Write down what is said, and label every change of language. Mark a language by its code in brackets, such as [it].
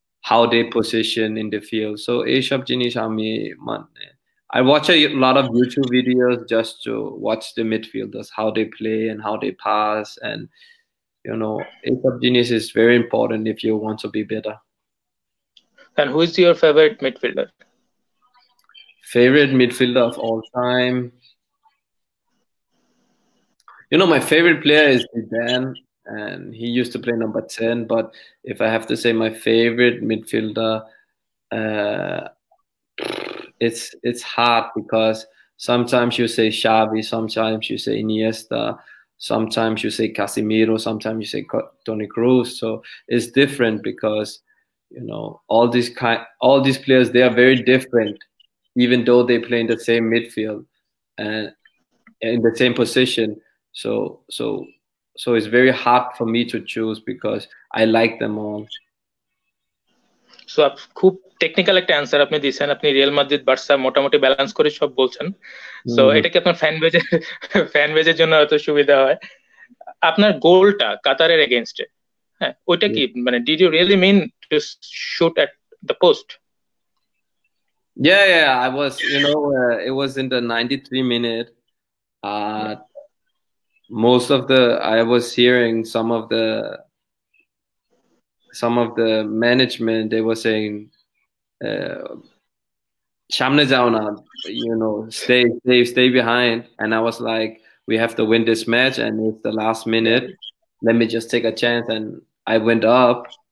[en] how they position in the field, so [bn] এইসব জিনিস আমি মানে [en] I watch a lot of YouTube videos just to watch the midfielders, how they play and how they pass, and you know, A-sub genius is very important if you want to be better. And who is your favorite midfielder? Favorite midfielder of all time? You know, my favorite player is Zidane, and he used to play number 10, but if I have to say my favorite midfielder, it's hard because sometimes you say Xavi, sometimes you say Iniesta, sometimes you say Casemiro, sometimes you say Toni Kroos, so it's different because you know all these players, they are very different even though they play in the same midfield and in the same position, so it's very hard for me to choose because I like them all. [bn] So খুব technical একটা answer আপনি দিয়েছেন, আপনি Real Madrid Barca মোটামুটি balance করে সব বলছেন, so এটা কি আপনার ফ্যান বেজের জন্য হয়তো সুবিধা হয়। আপনার গোলটা কাতারের এগেইনস্টে, হ্যাঁ ওইটা কি মানে [en] Did you really mean to shoot at the post? Yeah, yeah, I was, you know, it was in the 93 minute. Most of the, I was hearing some of the management, they were saying [bn] shamne jao na, [en] you know, stay behind, and I was like, we have to win this match and it's the last minute, let me just take a chance, and I went up